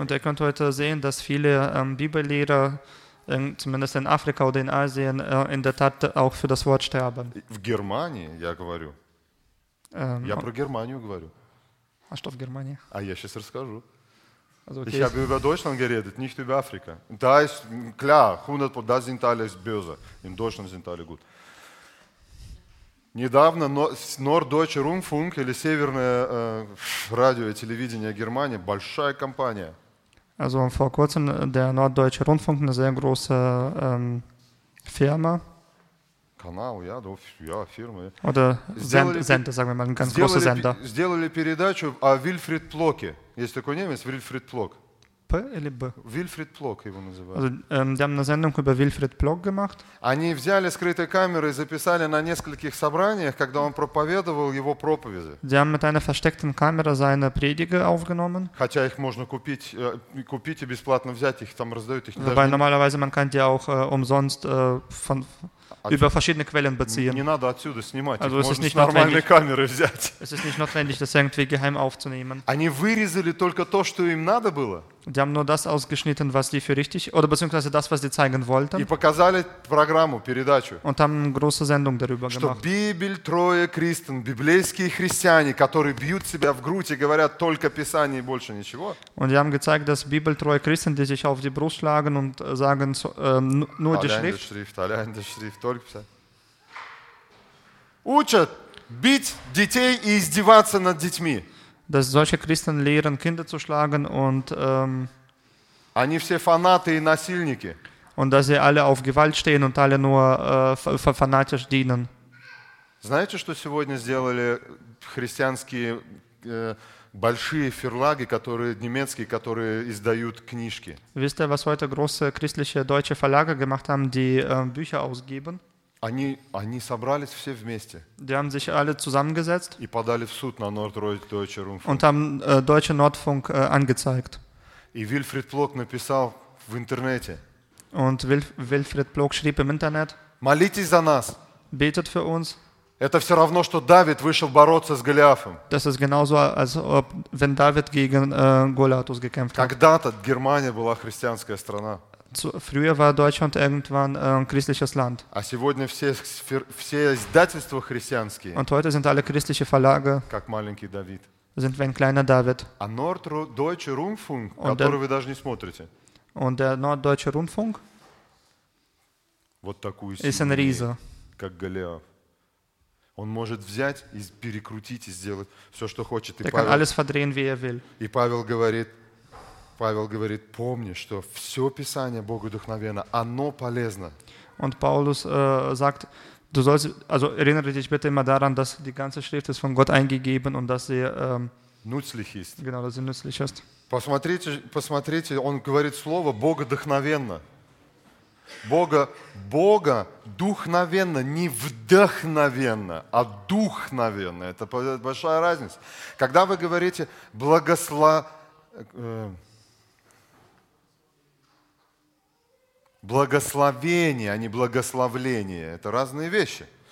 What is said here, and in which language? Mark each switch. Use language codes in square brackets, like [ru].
[de] Und ihr könnt heute sehen, dass viele Bibellehrer, zumindest in Afrika oder in Asien, in der Tat auch für das Wort sterben. [ru] В Германии, я говорю. Я про Германию говорю. А что в Германии? А я сейчас расскажу. [en] Okay. [de] Ich habe über Deutschland geredet, nicht über Afrika. Da ist klar, 100%, da sind alle böse. In Deutschland sind alle gut. [ru] Недавно Norddeutscher Rundfunk или Северное радио и телевидение Германии, большая компания. [de] Also vor kurzem der Norddeutsche Rundfunk, eine sehr große Firma. [ru] Канал, я, да, я, фирма. [de] Oder Sender, sagen wir mal, ein ganz großer Sender. [ru] Сделали передачу о Вильфрид Плоке. Есть такой немец, Вильфрид Плок. П или Б? Вильфрид Плок его называют. [de] Also, die haben eine Sendung über Wilfried Plock gemacht. [ru] Они взяли скрытые камеры и записали на нескольких собраниях, когда он проповедовал его проповеди. [de] Die haben mit einer versteckten Kamera seine Predige aufgenommen. [ru] Хотя их можно купить и бесплатно взять, их там раздают. Их [de] Wobei normalerweise man kann die auch umsonst von... Über verschiedene Quellen beziehen. [ru] Не надо отсюда снимать. [de] Also, [ru] можно с нормальной камеры взять. [de] Es ist nicht notwendig, das irgendwie geheim aufzunehmen. [ru] Они вырезали только то, что им надо было. [de] Die haben nur das ausgeschnitten, was die für richtig, oder beziehungsweise das, was sie zeigen wollten. [ru] И показали программу, передачу. [de] Und haben eine große Sendung darüber [ru] что [de] gemacht. [ru] Библия, трое [de] Christen, [ru] библейские христиане, которые бьют себя в грудь и говорят только Писание и больше ничего. [de] Und die haben gezeigt, dass Bibel treue Christen, die sich auf die Brust schlagen und sagen nur die Schrift. Allein die Schrift, allein die Schrift, [ru] только Писание. Учат бить детей и издеваться над детьми. [de] Dass solche Christen lehren, Kinder zu schlagen und [ru] они все фанаты и насильники. [de] Und dass sie alle auf Gewalt stehen und alle nur fanatisch dienen. [ru] Знаете, что сегодня сделали христианские большие ферлаги, которые немецкие, которые издают книжки? [de] Wisst ihr, was heute große christliche deutsche Verlage gemacht haben, die Bücher ausgeben? [ru] Они собрались все вместе. [de] Die haben sich alle zusammengesetzt. [ru] И подали в суд на Norddeutsche Rundfunk. [de] Und haben Deutsche Nordfunk angezeigt. [ru] И Вильфрид Плок написал в интернете. [de] Und Wilfried Plock schrieb im Internet. [ru] Молитесь за нас. [de] Betet für uns. [ru] Это все равно, что Давид вышел бороться с Голиафом. [de] Das ist genauso, als ob, wenn David gegen Goliathus gekämpft hat. [ru] Когда-то Германия была христианская страна. [de] Früher war Deutschland irgendwann ein christliches Land. [ru] А сегодня все издательства христианские. [de] Und heute sind alle christliche Verlage. [ru] Как маленький Давид. [de] Sind wie ein kleiner David. [ru] А Norddeutsche Rundfunk, который вы даже не смотрите. [de] Und der Norddeutsche Rundfunk. [ru] Вот такую силу. [de] Ist ein Riese. [ru] Как Голиаф. Он может взять и перекрутить и сделать все, что хочет. [de] Der kann alles verdrehen, wie er will. [ru] И Павел говорит. Павел говорит, помни, что все Писание Богу вдохновенно, оно полезно. [de] Und Paulus sagt, du sollst, also erinnere dich bitte immer daran, dass die ganze Schrift ist von Gott eingegeben und dass sie nützlich ist. Genau, dass sie nützlich ist. [ru] Посмотрите, он говорит слово Бога вдохновенно. Бога духновенно, не вдохновенно, а духновенно. Это большая разница. Когда вы говорите благословение, а не благословление. Это разные вещи.